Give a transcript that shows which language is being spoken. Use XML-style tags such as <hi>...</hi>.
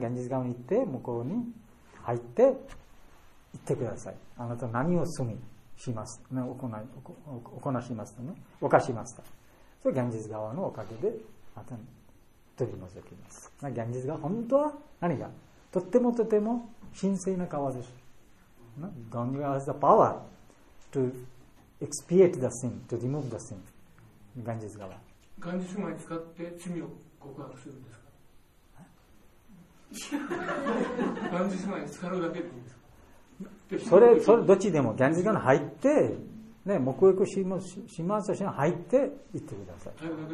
<ja>ガンジス川に行って向こうに入って行ってください。あなた何を罪します、ね、行しますと、ね、犯しました。それガンジス川のおかげでまた取り除きます。ガンジス川本当は何がとってもとても神聖な川です。</ja> <en>Ganga has the power to expiate the sin, to remove the sin. Ganges</en> <ja>川。ガンジス川使って罪を告白するんですか。ガンジス川に浸かるだけでいいんですか。それどっちでも、ガンジス川に入って、ね、目撃しますし、入って行ってください。</ja>